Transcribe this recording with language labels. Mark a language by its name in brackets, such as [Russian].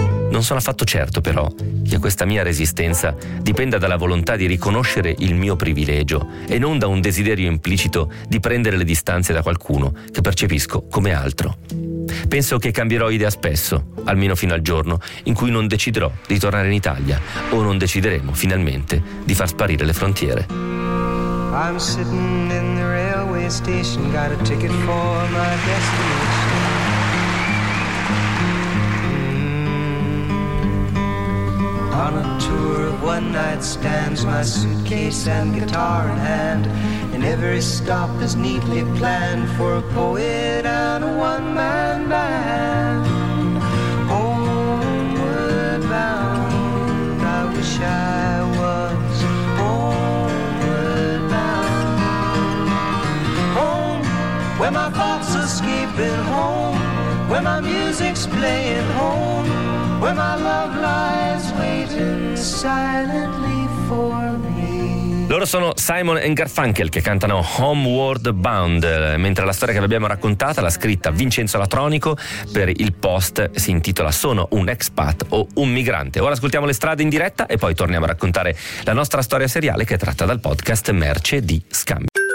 [Italian] Non sono affatto certo, però, che questa mia resistenza dipenda dalla volontà di riconoscere il mio privilegio e non da un desiderio implicito di prendere le distanze da qualcuno che percepisco come altro. Penso che cambierò idea spesso, almeno fino al giorno in cui non deciderò di tornare in Italia o non decideremo finalmente di far sparire le frontiere. [English] I'm sitting in the railway station, got a ticket for my destination. On a tour of one night stands, my suitcase and guitar in hand, and every stop is neatly planned for a poet and a one-man band. Homeward bound, I wish I was homeward bound. Home, where my thoughts are escaping, home, where my music's playing, home, where my love lies waiting silently for me. [Italian] Loro sono Simon & Garfunkel, che cantano Homeward Bound, mentre la storia che vi abbiamo raccontata l'ha scritta Vincenzo Latronico per il Post, si intitola Sono un expat o un migrante. Ora ascoltiamo Le strade in diretta e poi torniamo a raccontare la nostra storia seriale, che è tratta dal podcast Merce di Scambio.